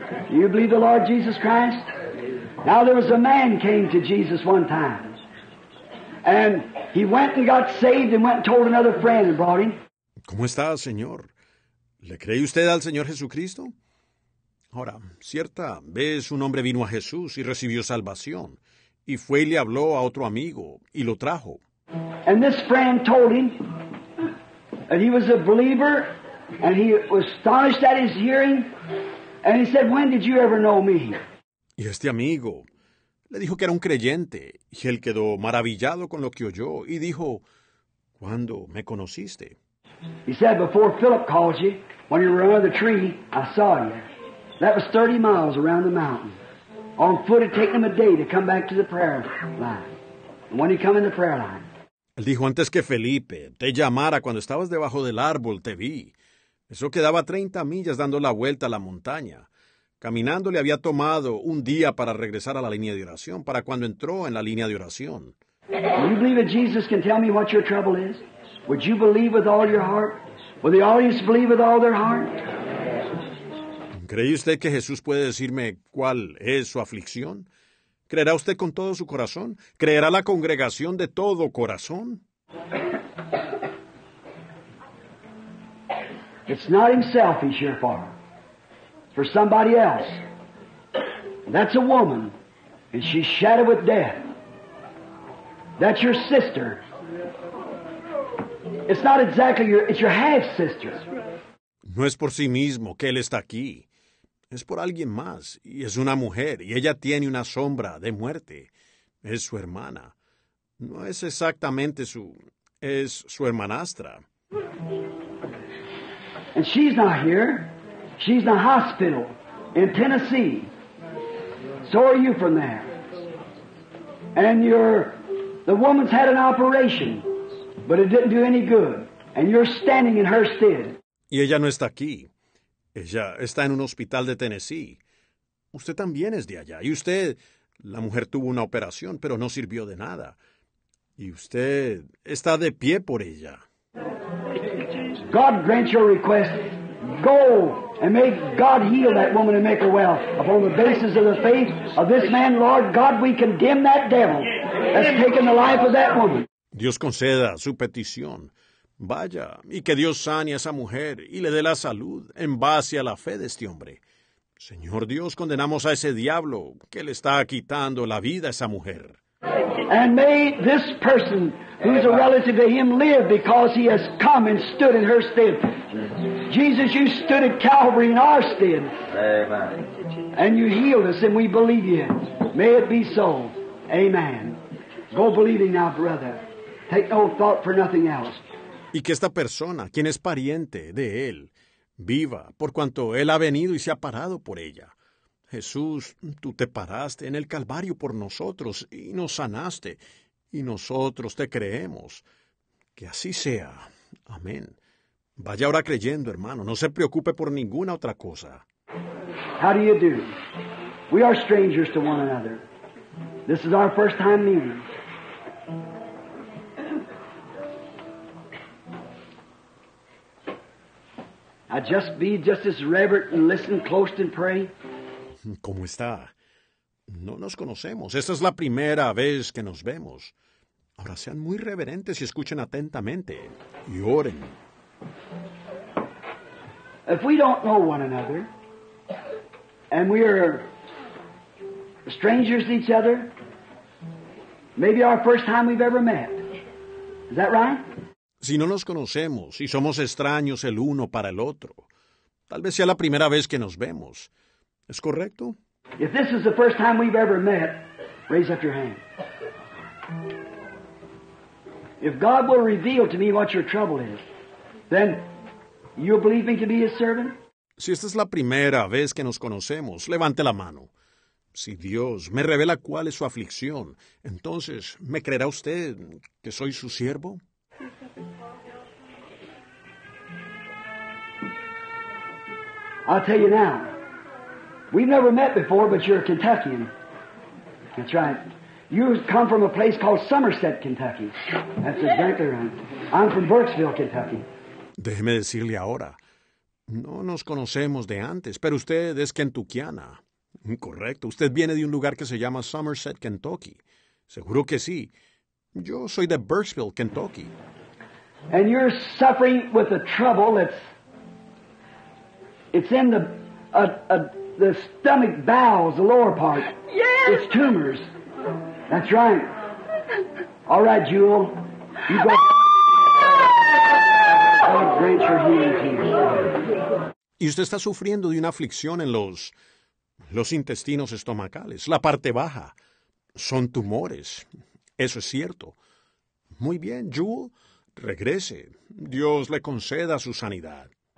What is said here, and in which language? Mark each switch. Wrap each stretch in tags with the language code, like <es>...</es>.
<en>Do you believe the Lord Jesus Christ? Now there was a man came to Jesus one time. And he went and got saved and went and told another friend and brought him.</en> <es>¿Cómo está, señor? ¿Le cree usted al Señor Jesucristo? Ahora, cierta vez un hombre vino a Jesús y recibió salvación, y fue y le habló a otro amigo, y lo trajo.</es> <en>And this friend told him that he was a believer, and he was astonished at his hearing, and he said, when did you ever know me?</en> <es>Y este amigo le dijo que era un creyente, y él quedó maravillado con lo que oyó, y dijo, ¿cuándo me conociste?</es> <en>He said, before Philip called you, when you were under the tree, I saw you. That was 30 miles around the mountain. On foot, it taken him a day to come back to the prayer line. And when he come in the prayer line.</en> <es>Él dijo, antes que Felipe te llamara cuando estabas debajo del árbol, te vi. Eso quedaba 30 millas dando la vuelta a la montaña. Caminando le había tomado un día para regresar a la línea de oración, para cuando entró en la línea de oración.</es> <en>Do you believe that Jesus can tell me what your trouble is? Would you believe with all your heart? Would the audience believe with all their heart?</en> <es>¿Cree usted que Jesús puede decirme cuál es su aflicción? ¿Creerá usted con todo su corazón? ¿Creerá la congregación de todo corazón?</es> <en>It's not himself he's here for. For somebody else. That's a woman. And she's shadowed with death. That's your sister. It's not exactly your, it's your half-sister.</en> <es>No es por sí mismo que él está aquí. Es por alguien más, y es una mujer, y ella tiene una sombra de muerte. Es su hermana. No es exactamente su... Es su hermanastra.</es> <en>And she's not here. She's in a hospital in Tennessee. So are you from there. And you're... The woman's had an operation, but it didn't do any good. And you're standing in her stead.</en> <es>Y ella no está aquí. Ella está en un hospital de Tennessee. Usted también es de allá. Y usted, la mujer tuvo una operación, pero no sirvió de nada. Y usted está de pie por ella.</es> <en>Jesus. God grant your request. Go and may God heal that woman and make her well. Upon the basis of the faith of this man, Lord God, we condemn that devil that's taken the life of that woman.</en> <es>Dios conceda su petición. Vaya, y que Dios sane a esa mujer y le dé la salud en base a la fe de este hombre. Señor Dios, condenamos a ese diablo que le está quitando la vida a esa mujer.</es> <en>And may this person who's a relative to him live because he has come and stood in her stead. Jesus, you stood at Calvary in our stead. Amen. And you healed us and we believe you. May it be so. Amen. Go believing now, brother. Take no thought for nothing else.</en> <es>Y que esta persona, quien es pariente de él, viva por cuanto él ha venido y se ha parado por ella. Jesús, tú te paraste en el Calvario por nosotros y nos sanaste, y nosotros te creemos. Que así sea. Amén. Vaya ahora creyendo, hermano. No se preocupe por ninguna otra cosa.</es> <en>How do you do? We are strangers to one another. This is our first time meeting. I just be just as reverent and listen close and pray.</en> <es>¿Cómo está? No nos conocemos. Esta es la primera vez que nos vemos. Ahora sean muy reverentes y escuchen atentamente y oren.</es> <en>If we don't know one another and we are strangers to each other, maybe our first time we've ever met. Is that right?</en> <es>Si no nos conocemos y somos extraños el uno para el otro, tal vez sea la primera vez que nos vemos. ¿Es correcto?</es> <en>If this is the first time we've ever met, raise up your hand. If God will reveal to me what your trouble is, then you'll believe me to be his servant?</en> <es>Si esta es la primera vez que nos conocemos, levante la mano. Si Dios me revela cuál es su aflicción, entonces, ¿me creerá usted que soy su siervo?</es> <en>I'll tell you now. We've never met before, but you're a Kentuckian. That's right. You come from a place called Somerset, Kentucky. That's exactly right. I'm from Burkesville, Kentucky.</en> <es>Déjeme decirle ahora. No nos conocemos de antes, pero usted es kentuckiana. Correcto. Usted viene de un lugar que se llama Somerset, Kentucky. Seguro que sí. Yo soy de Burkesville, Kentucky.</es> <en>And you're suffering with a trouble that's... It's in the stomach bowels, the lower part. Yes! It's tumors. That's right. All right, Jewel. You go. God grant your healing to you.</en> <es>Y usted está sufriendo de una aflicción en los intestinos estomacales, la parte baja. Son tumores. Eso es cierto. Muy bien, Jewel. Regrese. Dios le conceda su sanidad.</es>